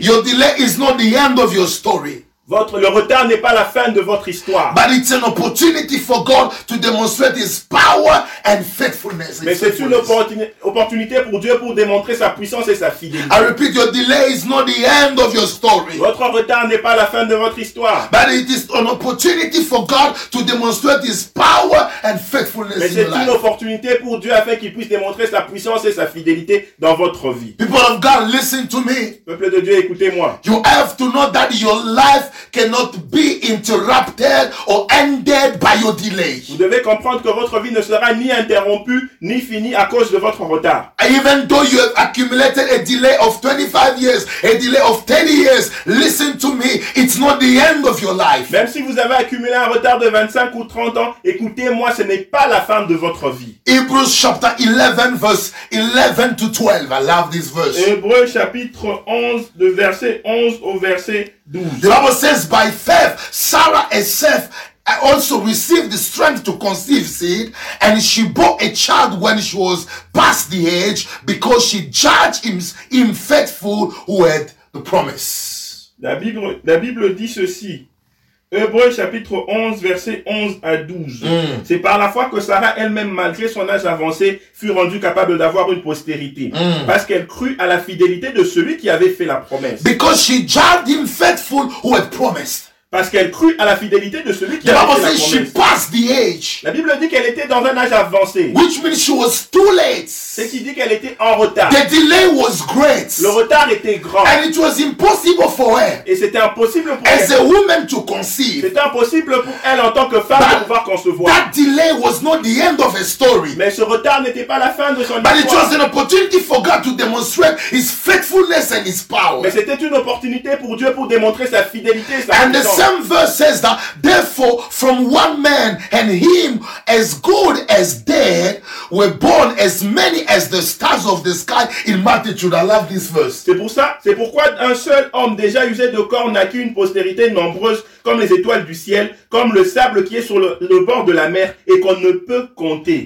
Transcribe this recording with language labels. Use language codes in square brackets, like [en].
[en] your delay is not the end of your story. [fr] Le retard n'est pas la fin de votre histoire. [en] But it's an opportunity for God to demonstrate His power and faithfulness. [fr] Mais c'est une opportunité pour Dieu pour démontrer sa puissance et sa fidélité. [en] I repeat, your delay is not the end of your story. [fr] Votre retard n'est pas la fin de votre histoire. [en] But it is an opportunity for God to demonstrate His power and faithfulness in your life. [fr] Mais c'est une opportunité pour Dieu afin qu'il puisse démontrer sa puissance et sa fidélité dans votre vie. [en] People of God, listen to me. [fr] Peuple de Dieu, écoutez-moi. [en] You have to know that your life cannot be interrupted or ended by your delay. [fr] Vous devez comprendre que votre vie ne sera ni interrompue ni finie à cause de votre retard. [en] Even though you have accumulated a delay of 25 years, a delay of 10 years, listen to me, it's not the end of your life. [fr] Même si vous avez accumulé un retard de 25 ou 30 ans, écoutez-moi, ce n'est pas la fin de votre vie. [en] Hebrews chapter 11 verse 11 to 12. I love this verse. [fr] Hébreux chapitre 11 de verset 11 au verset 12. [en] The Bible says, by faith, Sarah herself also received the strength to conceive seed, and she bore a child when she was past the age, because she judged him faithful who had the promise. [fr] La Bible dit ceci. Hébreux chapitre 11, versets 11 à 12. Mm. C'est par la foi que Sarah elle-même, malgré son âge avancé, fut rendue capable d'avoir une postérité. Mm. Parce qu'elle crut à la fidélité de celui qui avait fait la promesse. [en] Because she judged him faithful who had promised. [fr] Parce qu'elle crut à la fidélité de celui qui avait fait la promesse. [en] She passed the age. [fr] La Bible dit qu'elle était dans un âge avancé. [en] Which means she was too late. [fr] C'est qui dit qu'elle était en retard. [en] The delay was great. [fr] Le retard était grand. [en] And it was impossible for her. [fr] Et c'était impossible pour elle. [en] As a woman to conceive. [fr] C'était impossible pour elle en tant que femme de pouvoir concevoir. [en] That delay was not the end of her story. [fr] Mais ce retard n'était pas la fin de son [en] But [fr] histoire. [en] But it was an opportunity for God to demonstrate His faithfulness and His power. [fr] Mais c'était une opportunité pour Dieu pour démontrer sa fidélité et sa puissance. [en] And the same verse says that, therefore, from one man and him as good as dead, were born as many as the stars of the sky in multitude. I love this verse. [fr] C'est pour ça, c'est pourquoi un seul homme déjà usé de corps n'a qu'une postérité nombreuse comme les étoiles du ciel, comme le sable qui est sur le bord de la mer et qu'on ne peut compter.